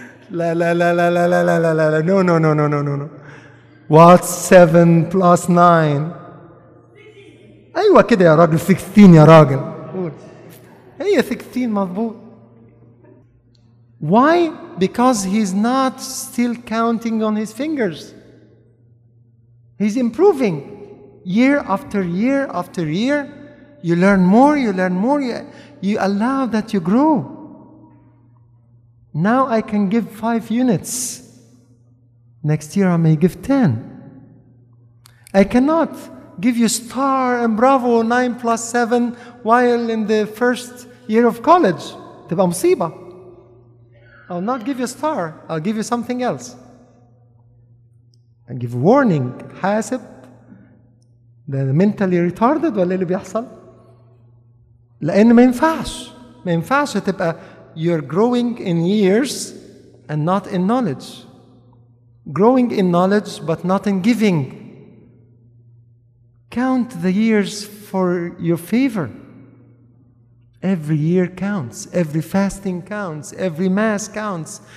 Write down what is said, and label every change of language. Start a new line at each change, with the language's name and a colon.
Arabic: لا لا لا لا لا لا لا لا لا لا
English: no no no no no no no what's 7 plus 9
Arabic: ايوه كده يا راجل 16 يا راجل هي 16 مظبوط
English: Why? Because he's not still counting on his fingers. He's improving year after year after year. You learn more, you learn more, you allow that you grow. Now I can give 5 units. Next year I may give 10. I cannot give you star and bravo 9+7 while in the first year of college.
Arabic: تبقى مصيبة.
English: I'll not give you a star, I'll give you something else. I give warning.
Arabic: حاسب ده
English: mentally retarded
Arabic: ولا اللي بيحصل؟ لأن ما ينفعش. ما ينفعش تبقى
English: you're growing in years and not in knowledge. Growing in knowledge but not in giving. Count the years for your favor. Every year counts. Every fasting counts. Every mass counts.